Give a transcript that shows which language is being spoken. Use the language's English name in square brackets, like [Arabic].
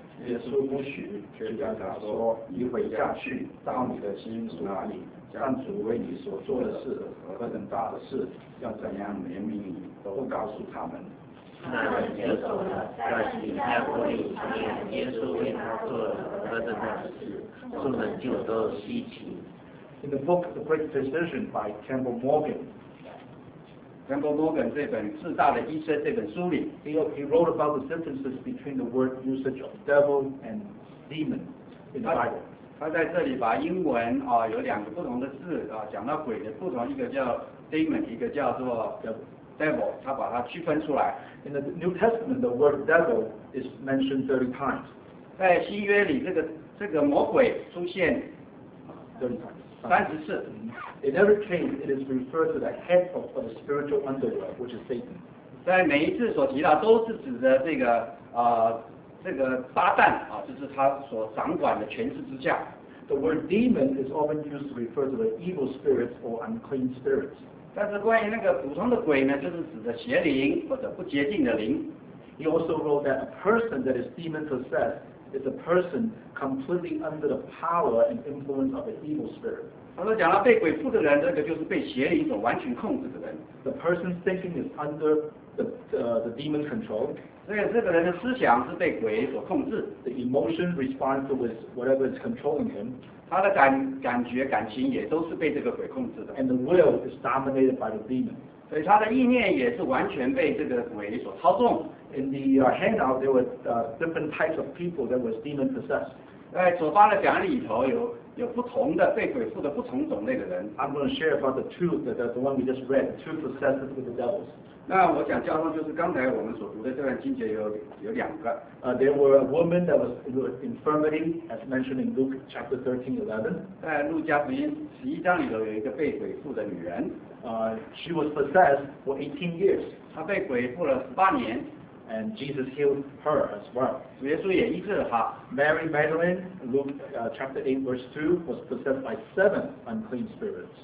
[Chinese] 耶稣不许却叫他说你回家去到你的心主那里将主为你所做的事和何等大的事要怎样怜悯你都告诉他们那人就走了，在西加布里面，耶稣为他做了何等大事，众人就都稀奇。 [English] In the book The Great Physician by Campbell Morgan, [Chinese] Campbell Morgan 这本《至大的医生》这本书里 [English] ，he wrote about the differences between the word usage of devil and demon in the Bible. [Chinese] 他在这里把英文有两个不同的字讲到鬼的不同，一个叫 demon， 一个叫做 devil， 他把它区分出来。 [English] In the New Testament, the word devil is mentioned 30 times. [Chinese] 在新约里，这个魔鬼出现 [English] 30 times. 34. In every case, it is referred to the head of the spiritual underworld, which is Satan. [Chinese] 在每一次所提到都是指的这个这个撒旦啊，就是他所掌管的权势之下。 [English] The word demon is often used to refer to the evil spirits or unclean spirits. [Chinese] 但是关于那个普通的鬼呢，就是指的邪灵或者不洁净的灵。 [English] He also wrote that a person that is demon possessed is a person completely under the power and influence of an evil spirit. [Chinese] 他说讲到被鬼附的人，这个就是被邪灵所完全控制的人。 [English] The person's thinking is under the demon control. [Chinese] 这个人的思想是被鬼所控制。 [English] The emotion responds with whatever is controlling him. [Chinese] 他的感觉、感情也都是被这个鬼控制的。 [English] And the will is dominated by the demon. [Chinese] 所以他的意念也是完全被这个鬼所操纵。 [English] In the handout, there were different types of people that was demon possessed. [Chinese] 在所发的讲义里头有不同的被鬼附的不同种类的人。 [English] I'm going to share about the two the one we just read, the two possessed with the devils. [Chinese] 那我讲交通就是刚才我们所读的这段经节有两个。 [English] There were a woman that was in infirmity, as mentioned in Luke chapter 13:11. [Chinese] 在路加福音十一章里头有一个被鬼附的女人。 [English] She was possessed for 18 years. [Chinese] 她被鬼附了十八年。 [English] And Jesus healed her as well. [Chinese] 耶稣也医治了她。 [English] Mary Magdalene, Luke chapter 8 verse 2, was possessed by 7 unclean spirits.